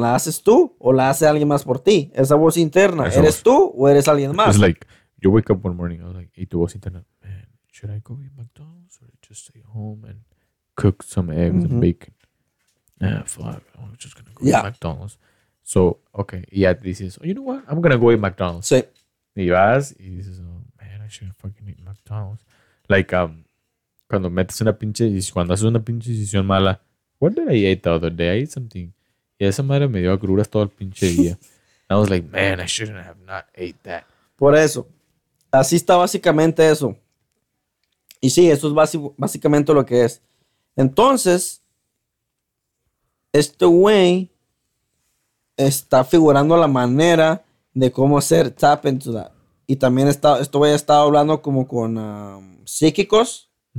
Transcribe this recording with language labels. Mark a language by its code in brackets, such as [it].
[es] ¿La haces tú o la hace alguien más por ti? Esa voz interna. Esa ¿Eres voz. Tú o eres alguien más? [en] It's like, you wake up one morning, I was like, [es] y tu voz interna, [en] man, should I go to McDonald's or just stay home and cook some eggs mm-hmm. and bacon? Nah, fuck, I'm just gonna go to McDonald's. So, okay, yeah, this is, oh, you know what? I'm gonna go to McDonald's. [es] Sí. Y vas y dices, [en] oh, man, I shouldn't fucking eat McDonald's. [es] Like, cuando metes una pinche decisión, cuando haces una pinche decisión mala, [en] what did I eat the other day? I ate something. [es] Y esa madre me dio agruras todo el pinche día. [en] I was like, man, I shouldn't have not ate that. [es] Por eso. Así está básicamente eso. Y sí, eso es básicamente lo que es. Entonces, este güey está figurando la manera de cómo hacer [en] tap into that. [es] Y también esto güey ha estado hablando como con psíquicos.